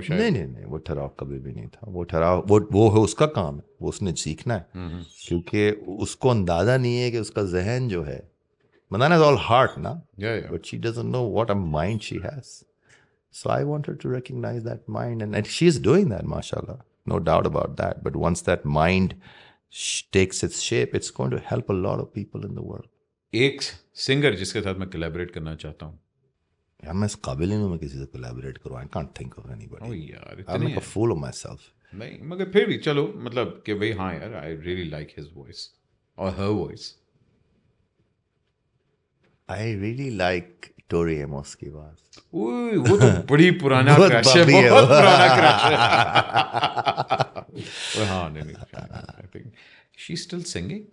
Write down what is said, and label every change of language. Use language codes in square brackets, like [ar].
[ur] شاید؟ نہیں وہ ٹھہراؤ کبھی بھی نہیں تھا. وہ ٹھہراؤ وہ ہے اس کا کام ہے, وہ اس نے سیکھنا ہے. کیونکہ اس کو اندازہ نہیں ہے کہ اس کا ذہن جو ہے, مندانا [en] Is all heart نا, but she doesn't know what a mind she has. So I want her to recognize that mind and she is doing that ماشاء اللہ. No doubt about that. But once that mind takes its shape, it's going to help a lot of people in the world. [ur] ایک singer جس کے ساتھ میں calibrate کرنا چاہتا ہوں. یار میں اس قابل نہیں ہوں میں کسی سے کلیبریٹ کروں. [en] I can't think of anybody. [ur] Oh, yaar, itni [en] I'm like a fool of myself. [ur] نہیں مگر پھر بھی چلو مطلب کہ بھائی ہاں یار [en] I really like his voice or her voice. I really like Tori Amos [ur] کی بات. وہ تو بڑی پرانا کرش ہے, بہت پرانا کرش ہے. وہ ہاں نہیں نہیں [en] I think she's still singing.